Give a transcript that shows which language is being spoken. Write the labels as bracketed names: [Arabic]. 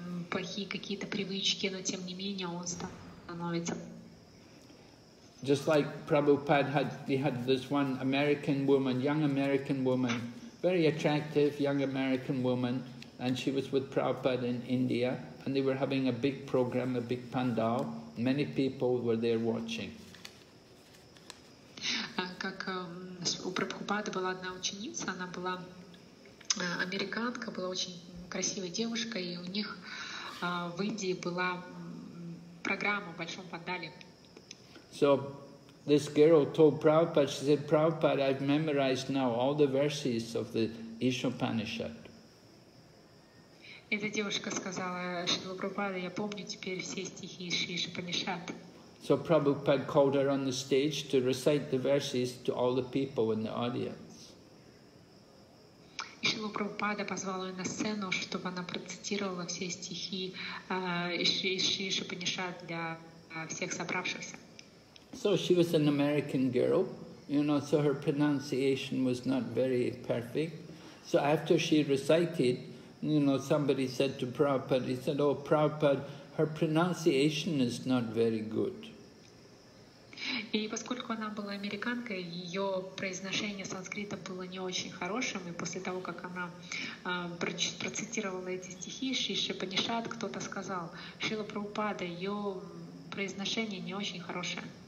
[Russian] Плохие какие-то привычки, но тем не менее он становится. [English] Just like Prabhupada had this one American woman, young American woman, very attractive young American woman, and she was with Prabhupada in India, and they were having a big program, a big pandal. Many people were there watching. [Russian] Как у Прабхупады была одна ученица, она была американка, была очень красивая девушка, и у них в Индии была программа в Большом Пандале. [English] So this girl told Prabhupada, she said, Prabhupada, I've memorized now all the verses of the Ishopanishad. [Russian] Эта девушка сказала, Шрила Прабхупада, я помню теперь все стихи из Ишопанишад. [English] So Prabhupada called her on the stage to recite the verses to all the people in the audience. [Russian] И Шрила Прабхупада позвала ее на сцену, чтобы она процитировала все стихи из Ишопанишад для всех собравшихся. [English] So she was an American girl, you know, so her pronunciation was not very perfect. So after she recited, you know, somebody said to Prabhupada, he said, oh, Prabhupada, her pronunciation is not very good. [Russian] И поскольку она была американкой, ее произношение санскрита было не очень хорошим, и после того, как она процитировала эти стихи, Шиши Панишат, кто-то сказал, Шрила Прабхупада, ее произношение не очень хорошее.